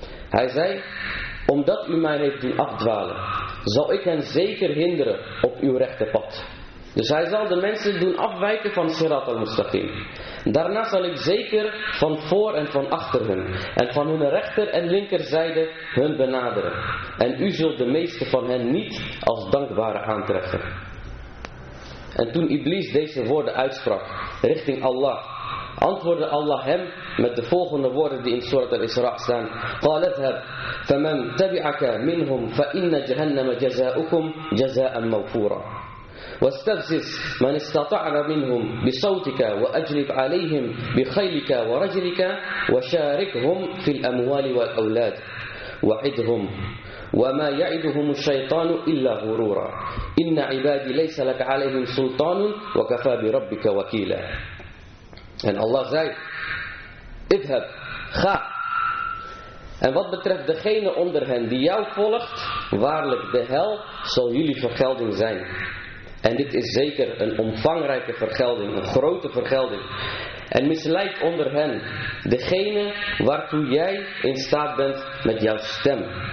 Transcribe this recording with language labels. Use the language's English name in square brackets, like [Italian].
[Dutch] Hij zei: omdat u mij heeft doen afdwalen, zal ik hen zeker hinderen op uw rechte pad. Dus hij zal de mensen doen afwijken van Sirat al-Mustaqim. Daarna zal ik zeker van voor en van achter hun, en van hun rechter en linkerzijde hun benaderen. En u zult de meeste van hen niet als dankbare aantreffen. En toen Iblis deze woorden uitsprak richting Allah, antwoordde Allah hem met de volgende woorden die in Surat al-Isra' staan: [Arabic] قال اذهب فمن تبعك منهم فإن جهنم جزاؤكم جزاء موفورا واستفزز من استطعت منهم بصوتك وأجلب عليهم بخيلك ورجلك وشاركهم في الأموال والأولاد وعدهم وما يعدهم الشيطان إلا غرورا إن عبادي ليس لك عليهم سلطان وكفى بربك وكيلا. [Dutch] En Allah zei: idhab, ga. En wat betreft degene onder hen die jou volgt, waarlijk de hel zal jullie vergelding zijn. En dit is zeker een omvangrijke vergelding, een grote vergelding. En misleid onder hen degene waartoe jij in staat bent met jouw stem.